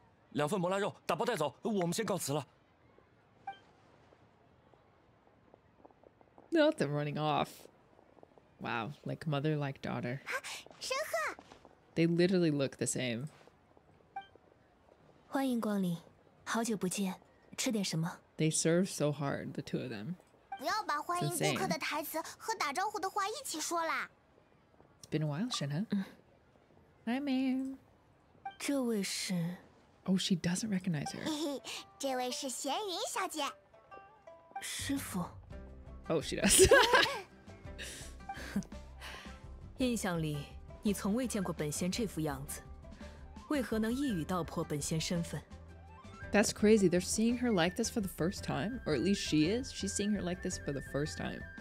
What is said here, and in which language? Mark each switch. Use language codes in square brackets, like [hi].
[zh] 两份麻辣肉，打包带走，我们先告辞了。Not [en] them running off. Wow, like mother, like daughter. [zh] 申鹤 [en] They literally look the same. [zh] 欢迎光临，好久不见，吃点什么？ [en] They serve so hard, the two of them. [zh] 不要把欢迎顾客的台词和打招呼的话一起说了。 [en] It's been a while, Shenhe. Hi, ma'am. [zh] 这位是。 [en] Oh, she doesn't recognize her. [zh] 这位是贤云小姐。师傅。 [en] Oh, she does. [zh] 印象里，你从未见过本仙这副样子，为何能一语道破本仙身份？ [en] That's crazy. They're seeing her like this for the first time, or at least she is. She's seeing her like this for the first time.